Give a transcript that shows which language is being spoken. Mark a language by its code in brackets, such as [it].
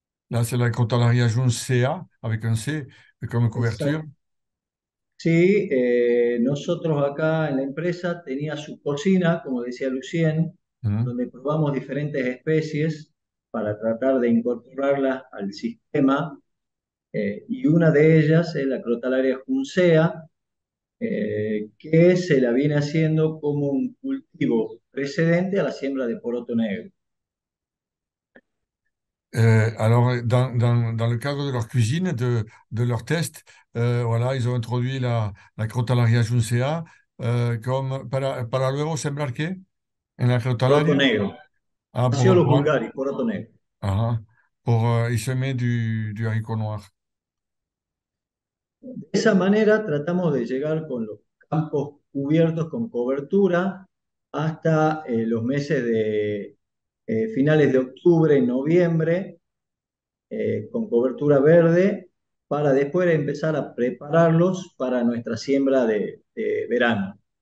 [fr] Là, c'est la Crotalaria jaune CA, avec un C comme couverture. [es] Exacto. Sí, nosotros acá en la empresa tenía su cocina, como decía Lucien, donde probamos diferentes especies para tratar de incorporarlas al sistema. Y una de ellas es la Crotalaria juncea, que se la viene haciendo como un cultivo precedente a la siembra de poroto negro. [fr] Alors, dans le cadre de leur cuisine, de leur test, voilà, ils ont introduit la Crotalaria juncea comme [es] para luego sembrar qué en la Poroto negro, Ah, Paciolo vulgaris, poroto negro. [fr] pour y semer du haricot noir. [es] De esa manera tratamos de llegar con los campos cubiertos con cobertura hasta los meses de finales de octubre y noviembre con cobertura verde para después empezar a prepararlos para nuestra siembra de verano.